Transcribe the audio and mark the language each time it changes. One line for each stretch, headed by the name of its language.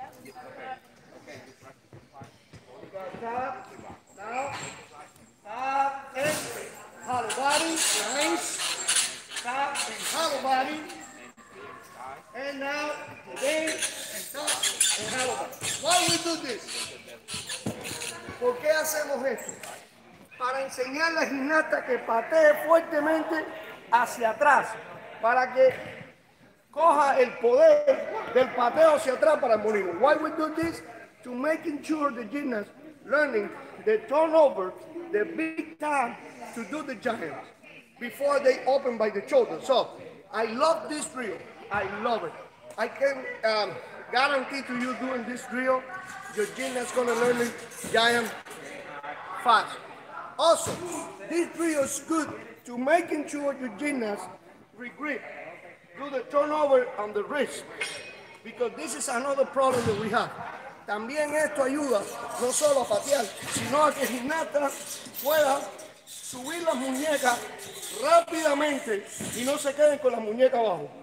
English: We got tap, now, tap, and hollow body, nice. Tap, and hollow body. And now, again, and tap, and hollow body. Why we do this?
Spanish: ¿Por qué hacemos esto? Para enseñar a la gimnasta que patee fuertemente hacia atrás, para que coja el poder del pateo hacia atrás para el molino.
English: Why we do this? To making sure the gymnast learning the turnover, the big time to do the giant before they open by the shoulder. So, I love this drill. I love it. I can guarantee to you doing this drill, your gymnast gonna learn it giant fast. Also, this drill is good to making sure your gymnast regrip, do the turnover on the wrist, because this is another problem that we have.
Spanish: También esto ayuda no solo a patear, sino a que el gimnasta pueda subir las muñecas rápidamente y no se queden con las muñecas abajo.